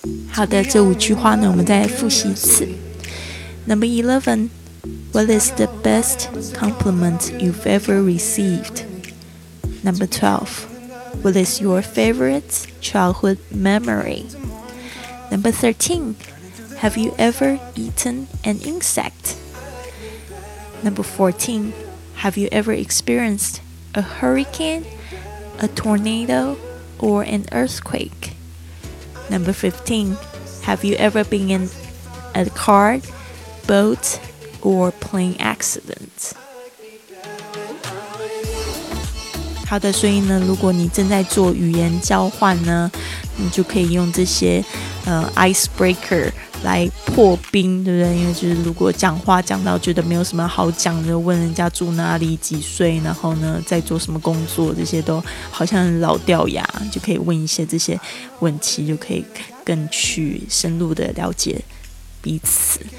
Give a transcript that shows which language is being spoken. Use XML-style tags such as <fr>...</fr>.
<zh>好的，这五句话呢，我们再复习一次。</zh> <en>Number 11，What is the best compliment you've ever received? Number 12. What is your favorite childhood memory? Number 13. Have you ever eaten an insect? Number 14. Have you ever experienced a hurricane, a tornado, or an earthquake? Number 15. Have you ever been in a car, boat, or plane accident。</en> <zh>好的，所以呢，如果你正在做语言交换呢，你就可以用这些icebreaker 来破冰，对不对？因为就是如果讲话讲到觉得没有什么好讲，就问人家住哪里、几岁，然后呢在做什么工作，这些都好像很老掉牙，就可以问一些这些问题，就可以更去深入的了解彼此。</zh>